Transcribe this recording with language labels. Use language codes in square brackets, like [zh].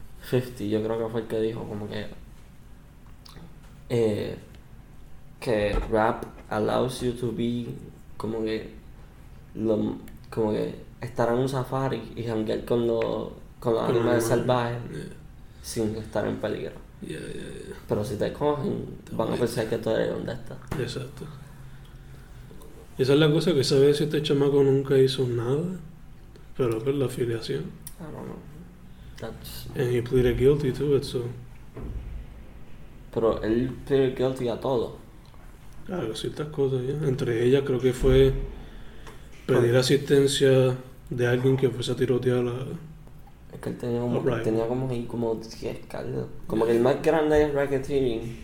[es] 50, yo creo que fue el que dijo como que... que [en] rap allows you to be [es] como que lo, como que estar en un safari y janguear con los animales salvajes yeah. sin estar en peligro yeah, yeah, yeah. pero si te cogen te van a pensar que tú eres donde estás. Exacto. Esa es la cosa, que sabes si este chamaco nunca hizo nada, pero por la afiliación. [en] I don't know. And he pleaded guilty to it, so. [es] Pero él [en] pleaded guilty [es] a todo. Claro, ciertas cosas, ¿ya? Entre ellas creo que fue pedir asistencia de alguien que fuese a tirotear a... Es que él tenía como, right. tenía como ahí como 10 cargos. Como yeah. que el más grande es racketeering.